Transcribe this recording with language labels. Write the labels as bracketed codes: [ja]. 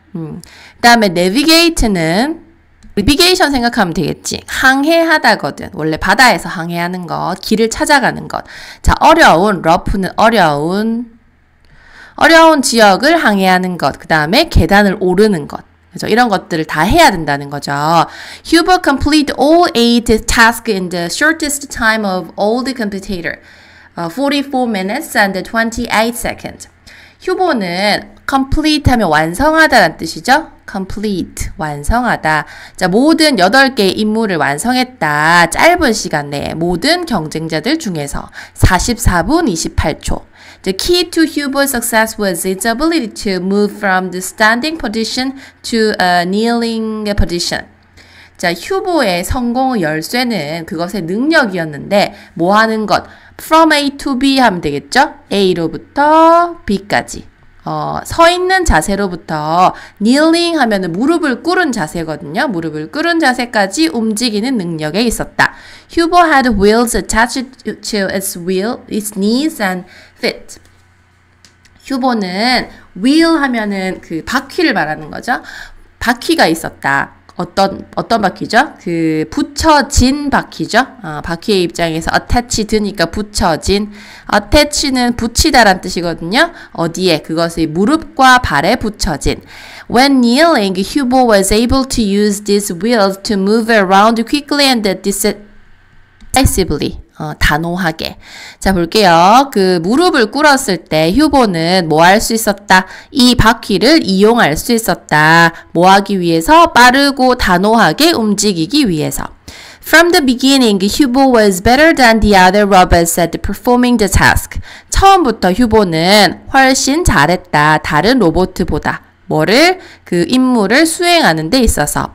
[ko] 그 다음에 내비게이트는 내비게이션 생각하면 되겠지. 항해하다거든. 원래 바다에서 항해하는 것, 길을 찾아가는 것. 자, 어려운, 러프는 어려운. 어려운 지역을 항해하는 것. 그 다음에 계단을 오르는 것. 그죠? 이런 것들을 다 해야 된다는 거죠. [en] Huber complete all 8 tasks in the shortest time of all the competitor. 44 minutes and 28 seconds. [ko] 휴보는 complete 하면 완성하다라는 뜻이죠. complete, 완성하다. 자, 모든 8개의 임무를 완성했다. 짧은 시간 내에 모든 경쟁자들 중에서 44분 28초. [en] The key to Huber's success was its ability to move from the standing position to a kneeling position. [ko] 자, 휴보의 성공의 열쇠는 그것의 능력이었는데 뭐 하는 것? From A to B 하면 되겠죠? A로부터 B까지. 서 있는 자세로부터 kneeling 하면 무릎을 꿇은 자세거든요. 무릎을 꿇은 자세까지 움직이는 능력에 있었다. [en] Huber had wheels attached to its wheel, its knees and feet. [ko] Huber는 wheel 하면은 그 바퀴를 말하는 거죠. 바퀴가 있었다. 어떤 바퀴죠? 그 붙여진 바퀴죠. 바퀴의 입장에서 attached니까 붙여진. attach는 붙이다란 뜻이거든요. 어디에? 그것의 무릎과 발에 붙여진. [en] When kneeling, Huber was able to use these wheels to move around quickly and decisively. [ko] 단호하게. 자, 볼게요. 그 무릎을 꿇었을 때 휴보는 뭐 할 수 있었다? 이 바퀴를 이용할 수 있었다. 뭐 하기 위해서? 빠르고 단호하게 움직이기 위해서. [en] From the beginning, Huber was better than the other robots at performing the task. [ko] 처음부터 휴보는 훨씬 잘했다. 다른 로봇보다. 뭐를? 그 임무를 수행하는 데 있어서.